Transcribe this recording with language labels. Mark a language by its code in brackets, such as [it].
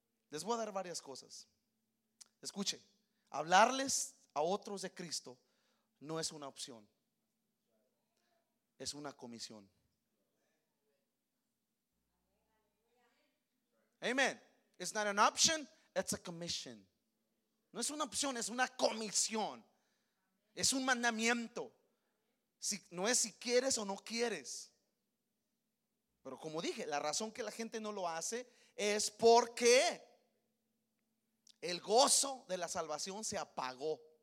[es] Les voy a dar varias cosas. Escuchen, hablarles a otros de Cristo no es una opción, es una comisión. [en] Amen. It's not an option, it's a commission. [es] No es una opción, es una comisión. Es un mandamiento. Si, no es si quieres o no quieres. Pero como dije, la razón que la gente no lo hace es porque el gozo de la salvación se apagó.